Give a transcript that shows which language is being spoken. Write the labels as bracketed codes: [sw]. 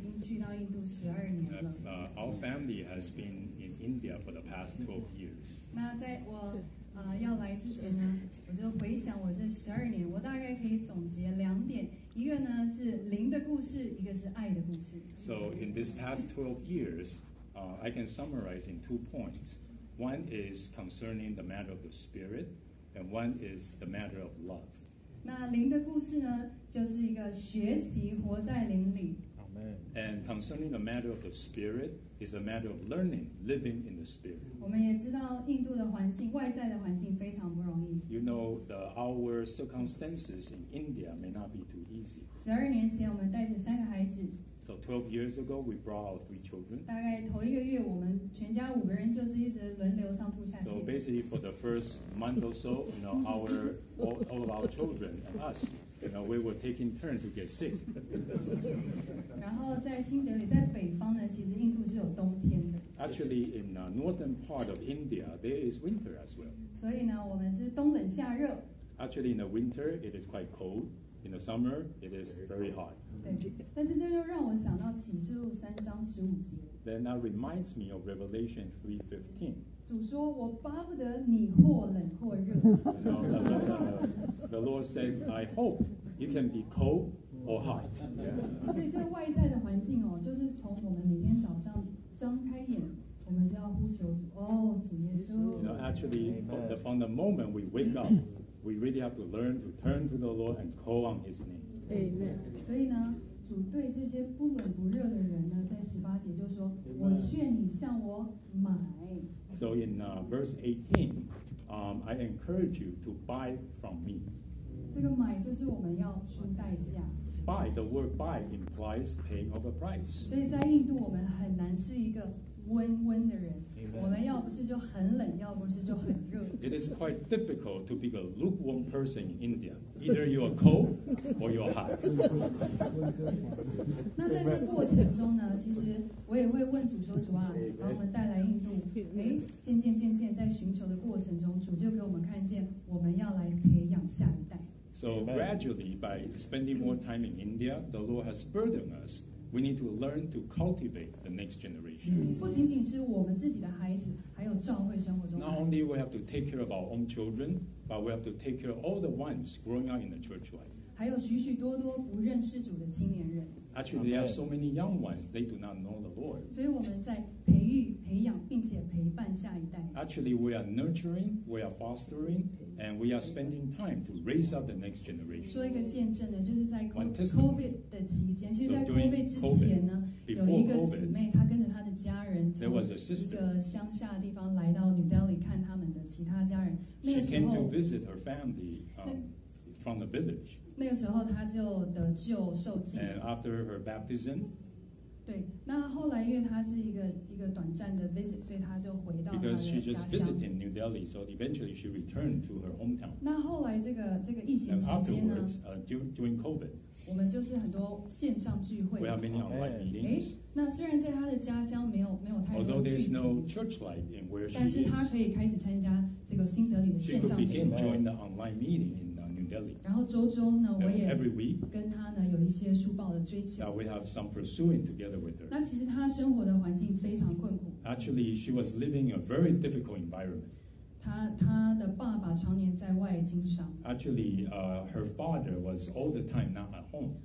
[en] Our family has been in India for the past 12 years. [zh] 那在我要来之前呢，我就回想我这十二年，我大概可以总结两点，一个呢是灵的故事，一个是爱的故事。 [en] So in this past 12 years, I can summarize in 2 points. One is concerning the matter of the spirit, and one is the matter of love. [zh] 那灵的故事呢，就是一个学习活在灵里。 [en] And concerning the matter of the spirit, it's a matter of learning, living in the spirit. [zh] 我们也知道印度的环境，外在的环境非常不容易。 [en] You know, our circumstances in India may not be too easy. [zh] 12年前我们带着三个孩子。 [en] So 12 years ago, we brought our 3 children. [zh] 大概头一个月，我们全家五个人就是一直轮流上吐下泻。 [en] So basically, for the first month or so, you know, all of our children and us, you know, we were taking turns to get sick. [zh] 然后在新德里，在北方呢，其实印度是有冬天的。 [en] Actually, in the northern part of India, there is winter as well. [zh] 所以呢，我们是冬冷夏热。 [en] Actually, in the winter, it is quite cold. In the summer, it is very hot. [zh] 对，但是这就让我想到启示录三章十五节。 [en] Then that reminds me of Revelation 3:15. [zh] 主说，我巴不得你或冷或热。 [en] The Lord said, I hope you can be cold or hot. [zh] 所以这外在的环境哦，就是从我们每天早上睁开眼。我们就要呼求主，哦，主耶稣。 [en] You know, actually, from the moment we wake up, we really have to learn to turn to the Lord and call on His name. Amen. [zh] 所以呢，主对这些不冷不热的人呢，在十八节就说：“我劝你向我买。” [en] So in verse 18, I encourage you to buy from me. [zh] 这个买就是我们要出代价。 [en] Buy, the word buy implies paying of a price. [zh] 所以在印度，我们很难是一个。温温的人， Amen. 我们要不是就很冷，要不是就很热。 [en] It is quite difficult to be a lukewarm person in India. Either you are cold or you are hot. [zh] 那在这过程中呢，其实我也会问主说：“主啊，把我们带来印度。” 渐渐在寻求的过程中，主就给我们看见，我们要来培养下一代。 [en] So gradually, by spending more time in India, the Lord has burdened us. We need to learn to cultivate the next generation. [zh] 不仅仅是我们自己的孩子，还有教会生活中。 [en] Not only we have to take care of our own children, but we have to take care of all the ones growing up in the church life. [zh] 还有许许多多不认识主的青年人。 [en] Actually, there are so many young ones, they do not know the Lord. [zh] 所以我们在培育、培养，并且陪伴下一代。 [en] Actually, we are nurturing, we are fostering, and we are spending time to raise up the next generation. [zh] 说一个见证的，就是在 COVID 的期间，其实在 COVID 之前呢，有一个姊妹，她跟着她的家人从一个乡下的地方来到 New Delhi 看他们的其他家人。 [en] She came to visit her family, from the village. [zh] 那个时候他就得救受浸。 [en] And after her baptism, [zh] 对，那后来因为他是一个短暂的 visit, 所以他就回到他的家乡。 [en] Because she just visited New Delhi, so eventually she returned to her hometown. [zh] 那后来这个疫情期间呢 [en] ？During COVID, [zh] 我们就是很多线上聚会。 [en] We have many online meetings. [zh] 那虽然在他的家乡没有太多聚集。 [en] Although there is no church life in where she is, [zh] 但是他可以开始参加这个新德里的线上聚会。 [en] She could begin join the online meeting in. [zh] 然后周周呢，我也跟他呢有一些书报的追求。 [en] Now we have some pursuing together with her. [zh] 那其实他生活的环境非常困苦。 [en] Actually, she was living in a very difficult environment. [zh] 他的爸爸常年在外经商。 [en] Actually, her father was all the time not at home.